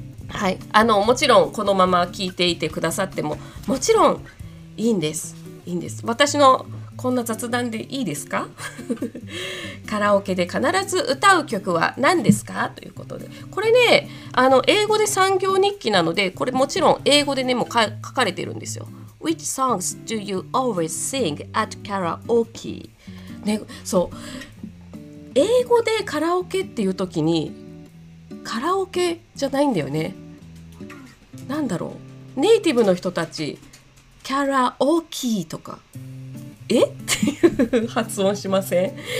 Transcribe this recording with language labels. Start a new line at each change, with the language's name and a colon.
Japanese: はい、もちろんこのまま聞いていてくださってももちろんいいんです、いいんです。私のこんな雑談でいいですかカラオケで必ず歌う曲は何ですかということで、これね英語で産業日記なので、これもちろん英語でねもう書かれてるんですよ。
English: Which songs do you always sing at karaoke?
Japanese: ね、そう、英語でカラオケっていう時にカラオケじゃないんだよね、なんだろう、ネイティブの人たちカラオケとかえっていう発音しません？